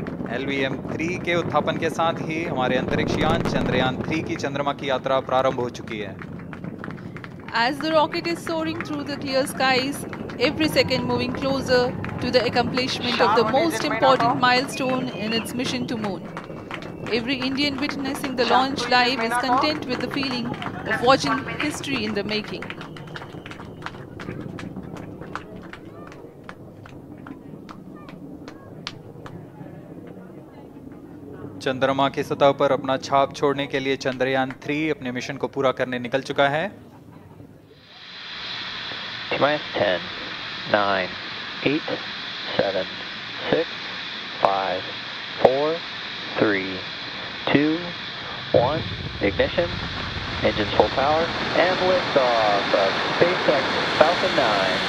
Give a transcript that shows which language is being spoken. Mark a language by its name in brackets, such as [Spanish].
[Hindi] LVM-3 के उत्थापन के साथ ही हमारे अंतरिक्षयान चंद्रयान 3 की चंद्रमा की यात्रा प्रारंभ हो चुकी है। [English] As the rocket is soaring through the clear skies, every second moving closer to the accomplishment of the most important milestone in its mission to Moon. Every Indian witnessing the launch live is content with the feeling of watching history in the making. [Hindi] चंद्रमा की सतह पर अपना छाप छोड़ने के लिए चंद्रयान 3 अपने मिशन को पूरा करने निकल चुका है। [English] T-minus 10, 9, 8, 7, 6, 5, 4, 3, 2, 1, ignition, engines full power, and liftoff of SpaceX Falcon 9.